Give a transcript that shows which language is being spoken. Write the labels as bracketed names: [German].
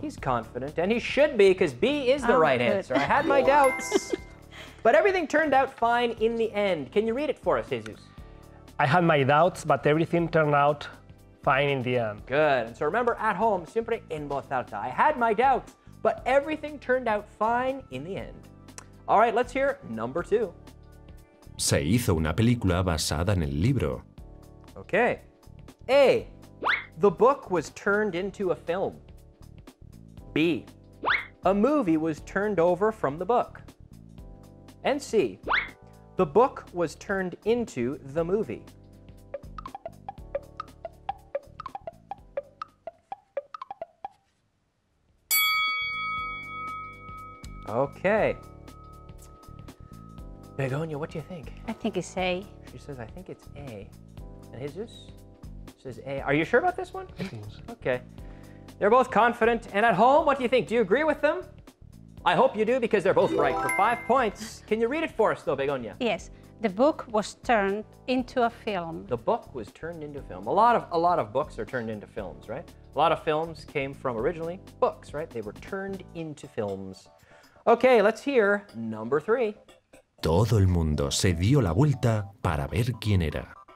[English] He's confident, and he should be, because B is the right answer. I had my doubts, but everything turned out fine in the end. Can you read it for us, Jesus? I had my doubts, but everything turned out fine in the end. Good. And so remember, at home, [Spanish] siempre en voz alta. [English] I had my doubts, but everything turned out fine in the end. All right, let's hear number two. [Spanish] Se hizo una película basada en el libro. [English] Okay. A, the book was turned into a film. B, a movie was turned over from the book. And C, the book was turned into the movie. Okay. Begonia, what do you think? I think it's A. She says, I think it's A. And Jesus says A. Are you sure about this one? I think so. Okay. They're both confident. And at home, what do you think? Do you agree with them? I hope you do, because they're both right for 5 points. Can you read it for us, though, Begonia? Yes. The book was turned into a film. The book was turned into a film. A lot of books are turned into films, right? A lot of films came from originally books, right? They were turned into films. Okay, let's hear number three. [Spanish] Todo el mundo se dio la vuelta para ver quién era.